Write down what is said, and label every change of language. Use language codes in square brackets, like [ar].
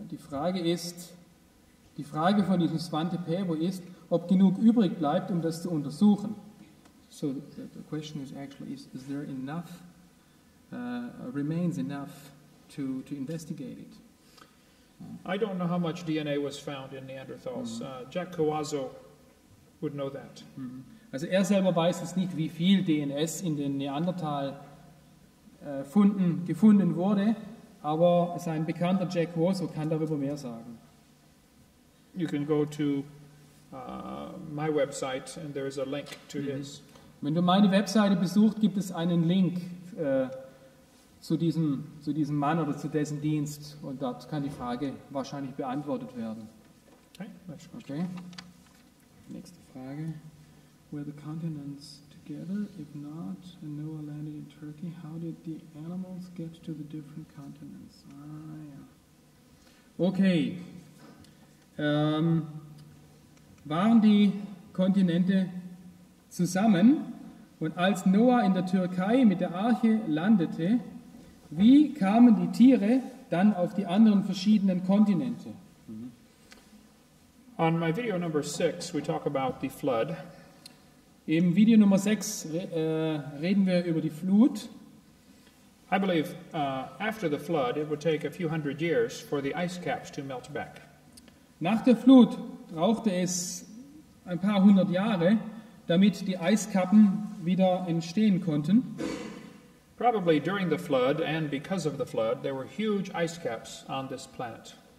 [de] Die Frage von diesem Svante Pabu ist, ob genug übrig bleibt, um das zu untersuchen. [en] So the question is actually, is there enough, remains enough to investigate it? I don't know how much DNA was found in Neanderthals. Mm-hmm. Jack Coazzo would know that. Mm-hmm. [de] Also er selber weiß es nicht, wie viel DNS in den Neandertal-Funden gefunden wurde, aber sein Bekannter Jack Coazzo kann darüber mehr sagen. [en] You can go to my website and there is a link to his. [de] Wenn du meine Webseite besuchst, gibt es einen Link zu diesem Mann oder zu dessen Dienst, und dort kann die Frage wahrscheinlich beantwortet werden. Okay. Nächste Frage. [en] Were the continents together? If not, and Noah landed in Turkey, how did the animals get to the different continents? [de] Okay. Waren die Kontinente zusammen? Und als Noah in der Türkei mit der Arche landete, wie kamen die Tiere dann auf die anderen verschiedenen Kontinente? [en] On my video number 6, we talk about the flood. [de] Im Video Nummer 6 reden wir über die Flut. [en] I believe after the flood, it would take a few hundred years for the ice caps to melt back. [de] Nach der Flut brauchte es ein paar hundert Jahre, damit die Eiskappen wieder entstehen konnten. [en] Probably during the flood and because of the flood, there were huge ice caps on this planet.